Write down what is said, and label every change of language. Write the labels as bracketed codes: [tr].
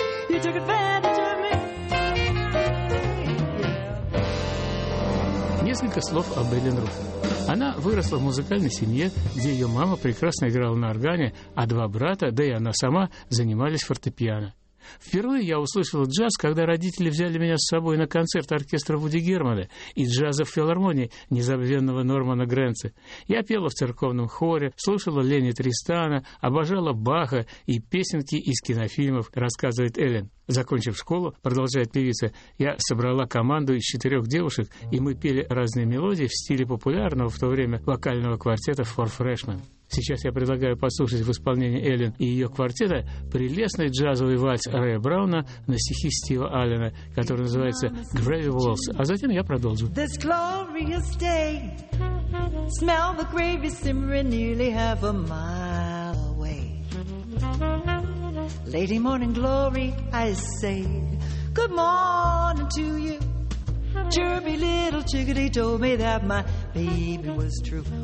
[en] You took advantage of me. [ru] Несколько слов об Эллен Руфе. Она выросла в музыкальной семье, где ее мама прекрасно играла на органе, а два брата, да и она сама, занимались фортепиано. Впервые я услышал джаз, когда родители взяли меня с собой на концерт оркестра Вуди Германа и джаза в филармонии незабвенного Нормана Грэнца. Я пела в церковном хоре, слушала Лени Тристана, обожала Баха и песенки из кинофильмов, рассказывает Эллен. Закончив школу, продолжает певица, я собрала команду из 4 девушек, и мы пели разные мелодии в стиле популярного в то время вокального квартета «Four Freshmen». Сейчас я предлагаю послушать в исполнении Эллен и ее квартета прелестный джазовый вальс Рэя Брауна на стихи Стива Аллена, который называется «Gravy Waltz», а затем я продолжу. [en] This glorious day, smell the gravy simmering nearly half a mile away. Lady morning glory, I say, good morning to you. Chirpy little chickadee told me that my baby was true.